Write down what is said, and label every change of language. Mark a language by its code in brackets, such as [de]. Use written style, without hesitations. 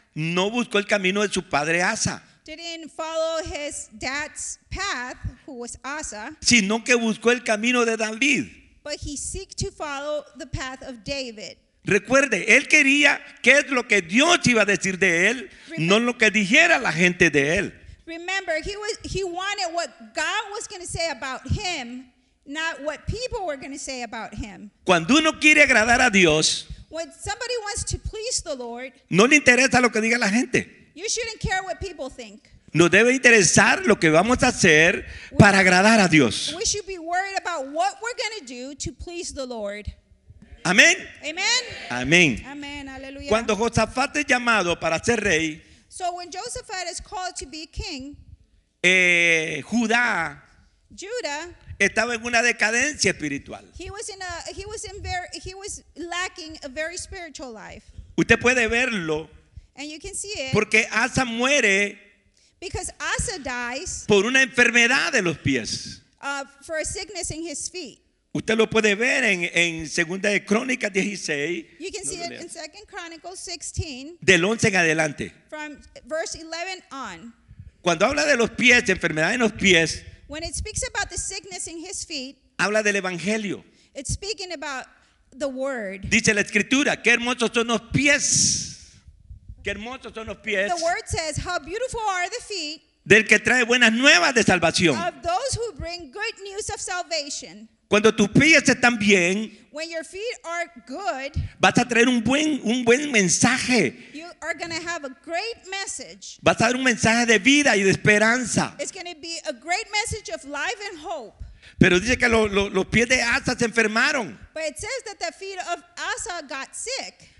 [es] No buscó el camino de su padre Asa. [en] Didn't follow his dad's path, who was Asa. [es] Sino que buscó el camino de David. [en] But he seeked to follow the path of David. [es] Recuerde, él quería qué es lo que Dios iba a decir de él, no lo que dijera la gente de él. [en] Remember, he wanted what God was going to say about him, not what people were going to say about him. [es] Cuando uno quiere agradar a Dios, [en] when somebody wants to please the Lord, [es] no le interesa lo que diga la gente. [en] You shouldn't care what people think. [es] Nos debe interesar lo que vamos a hacer para agradar a Dios. [en] We should be worried about what we're going to do to please the Lord. [es] Amén. [en] Amen. [es] Amén. Amén. Aleluya. Cuando Josafat es llamado para ser rey, [en] so when Josaphat is called to be king, [es] Judá, [en] Judah, [es] estaba en una decadencia espiritual. [en] He was lacking a very spiritual life. [es] Usted puede verlo. [en] And you can see it. [es] Porque Asa muere. [en] Because Asa dies. [es] Por una enfermedad de los pies. [en] For a sickness in his feet. [es] Usted lo puede ver en Segunda de Crónicas 16. [en] You can see it in 2 Chronicles 16. [es] Del 11 en adelante. [en] From verse 11 on. [es] Cuando habla de los pies, de enfermedad en los pies. [en] When it speaks about the sickness in his feet. [es] Habla del evangelio. [en] It's speaking about the word. [es] Dice la escritura, qué hermosos son los pies. Qué hermosos son los pies. [en] The word says, how beautiful are the feet. [es] Del que trae buenas nuevas de salvación. [en] Of those who bring good news of salvation. [es] Cuando tus pies están bien, [en] when your feet are good, [es] vas a traer un buen mensaje. [en] You are going to have a great message. [es] Vas a dar un mensaje de vida y de esperanza. [en] It's going to be a great message of life and hope. [es] Pero dice que los pies de Asa se enfermaron. [en] But it says that the feet of Asa got sick.